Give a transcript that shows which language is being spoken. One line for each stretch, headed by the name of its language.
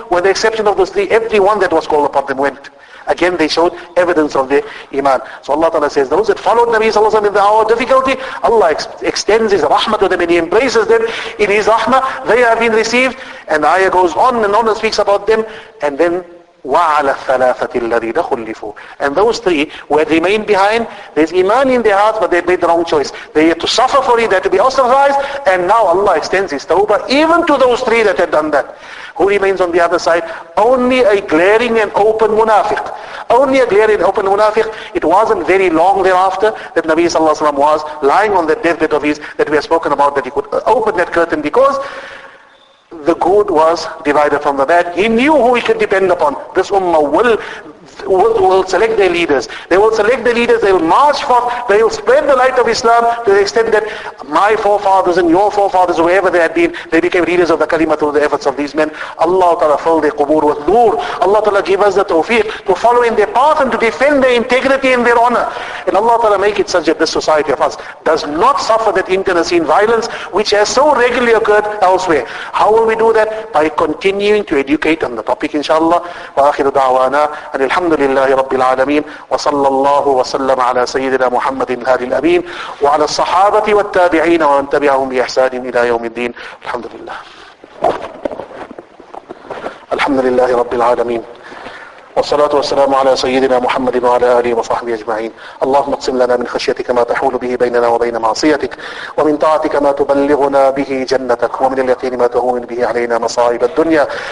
English: With the exception of those three, everyone that was called upon them went. Again, they showed evidence of their iman. So Allah Ta'ala says, those that followed Nabi Sallallahu Alaihi Wasallam in the hour of difficulty, Allah extends His rahmah to them and He embraces them in His rahmah. They have been received. And the ayah goes on and speaks about them. And then,
Arabic: وَعَلَى الثَّلَاثَةِ الَّذِينَ خُلِّفُوا.
English: And those three who had remained behind, there's iman in their hearts, but they made the wrong choice. They had to suffer for it, they had to be ostracized, and now Allah extends His tawbah even to those three that had done that. Who remains on the other side? Only a glaring and open munafiq. Only a glaring and open munafiq. It wasn't very long thereafter that Nabi Sallallahu Alaihi Wasallam was lying on that deathbed of his that we have spoken about, that he could open that curtain, because the good was divided from the bad. He knew who he could depend upon. This ummah will select their leaders. They will select the leaders. They will march forth. They will spread the light of Islam to the extent that my forefathers and your forefathers, wherever they had been, they became leaders of the kalima through the efforts of these men. Allah Ta'ala fill their qubur with nur. Allah Ta'ala give us the tawfiq to follow in their path and to defend their integrity and their honor. And Allah Ta'ala make it such that this society of us does not suffer that internecine violence which has so regularly occurred elsewhere. How will we do that? By continuing to educate on the topic, inshallah.
Arabic: Wa akhiru da'wana and الحمد لله رب العالمين وصلى الله وسلم على سيدنا محمد الهادي الأمين وعلى الصحابة والتابعين ومن تبعهم بإحسان إلى يوم الدين الحمد لله الحمد لله رب العالمين والصلاة والسلام على سيدنا محمد وعلى آله وصحبه أجمعين اللهم اقسم لنا من خشيتك ما تحول به بيننا وبين معصيتك ومن طاعتك ما تبلغنا به جنتك ومن اليقين ما تهون به علينا مصائب الدنيا